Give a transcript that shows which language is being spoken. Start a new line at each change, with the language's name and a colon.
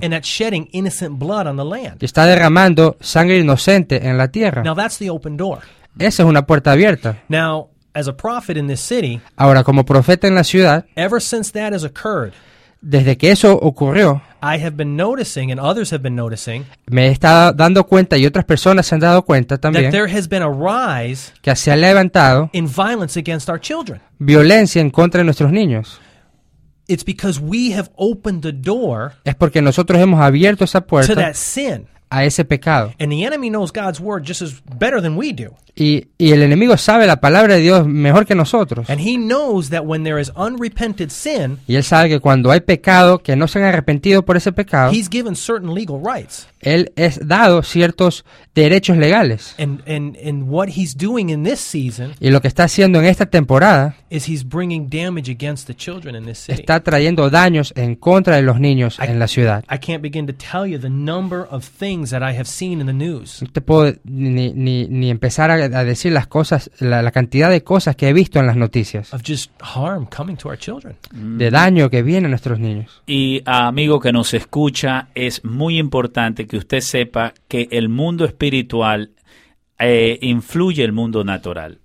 English: And that's shedding innocent blood on the land.
Spanish: Y está derramando sangre inocente en la tierra.
English: Now that's the open door.
Spanish: Esa es una puerta abierta.
English: Now, as a prophet in this city,
Spanish: ahora como profeta en la ciudad,
English: ever since that has occurred,
Spanish: Desde que eso ocurrió,
English: I have been noticing, and others have been noticing,
Spanish: me he estado dando cuenta y otras personas se han dado cuenta también,
English: that there has been a rise,
Spanish: que se ha levantado,
English: in violence against our children.
Spanish: Violencia en contra de nuestros niños.
English: It's because we have opened the door,
Spanish: es porque nosotros hemos abierto esa puerta,
English: to that sin,
Spanish: a ese pecado.
English: And the enemy knows God's word just as better than we do.
Spanish: Y el enemigo sabe la palabra de Dios mejor que nosotros.
English: And he knows that when there is unrepented sin,
Spanish: y él sabe que cuando hay pecado, que no se han arrepentido por ese pecado,
English: he's given certain legal rights.
Spanish: Él es dado ciertos derechos legales.
English: And what he's doing in this season,
Spanish: y lo que está haciendo en esta temporada,
English: is he's bringing damage against the children in this city.
Spanish: Está trayendo daños en contra de los niños en la ciudad.
English: I can't begin to tell you the number of things that I have seen in the news.
Spanish: No te puedo ni empezar a decir las cosas, la cantidad de cosas que he visto en las noticias.
English: Of just harm coming to our children.
Spanish: De daño que viene a nuestros niños. Y amigo que nos escucha, es muy importante que usted sepa que el mundo espiritual influye el mundo natural.